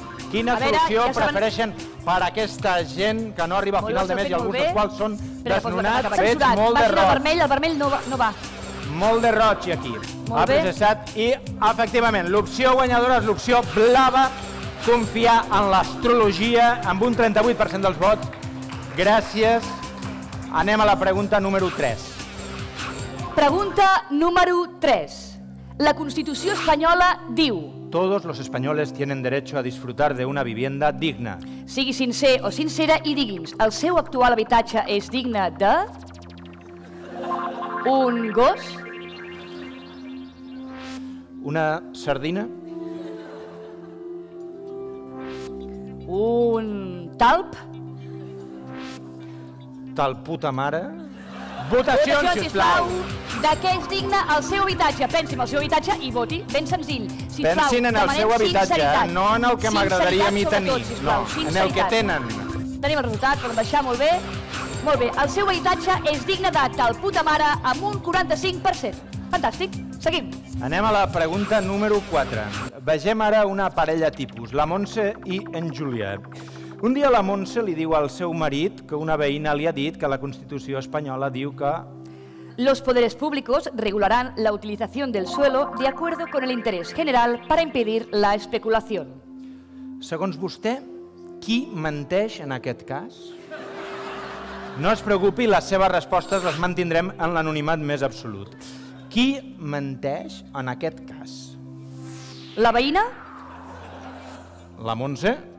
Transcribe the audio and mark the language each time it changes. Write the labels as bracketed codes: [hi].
[ca] Quina solució ja prefereixen per a aquesta gent que no arriba a final de mes i alguns dels quals són desnonats, fets molt de roig. El vermell no va. No va. Molt de roig aquí. Molt bé. Processat. I, efectivament, l'opció guanyadora és l'opció blava, confiar en l'astrologia, amb un 38% dels vots. Gràcies. Anem a la pregunta número 3. Pregunta número 3. La Constitució espanyola diu... [es] Todos los españoles tienen derecho a disfrutar de una vivienda digna. [ca] Sigui sincer o sincera i digui'ns, el seu actual habitatge és digne de... Un gos? Una sardina? Un talp? Tal puta mare. Votacions, votacions, sisplau. De què és digne el seu habitatge? Pensi en el seu habitatge i voti. Ben senzill. Sisplau, pensin en el seu habitatge, sinceritat. No en el que m'agradaria a mi tenir. Sobretot, no, sinceritat. En el que tenen. Tenim el resultat, podem baixar molt bé. Molt bé, el seu habitatge és digne de tal puta mare amb un 45%. Fantàstic, seguim. Anem a la pregunta número 4. Vegem ara una parella tipus, la Montse i en Julià. Un dia la Montse li diu al seu marit que una veïna li ha dit que la Constitució espanyola diu que... [es] Los poderes públicos regularán la utilización del suelo de acuerdo con el interés general para impedir la especulación. [ca] Segons vostè, qui menteix en aquest cas? No es preocupi, les seves respostes les mantindrem en l'anonimat més absolut. Qui menteix en aquest cas? La veïna? La Montse?